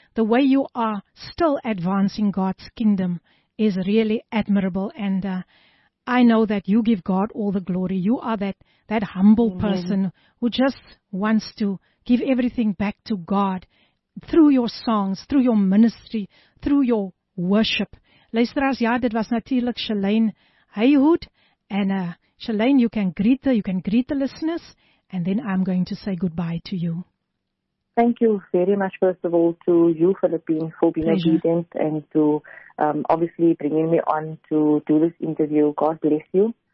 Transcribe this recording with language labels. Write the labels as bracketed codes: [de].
[en] The way you are still advancing God's kingdom is really admirable. And I know that you give God all the glory. You are that humble Amen. Person who just wants to give everything back to God through your songs, through your ministry, through your worship. [af] Luisteraars, ja, dit was natuurlijk Shalane Heyhood. [en] And Shalane, you can greet the listeners, and then I'm going to say goodbye to you. Thank you very much, first of all, to you, Philippine, for being Pleasure. Obedient and to obviously bringing me on to do this interview. God bless you.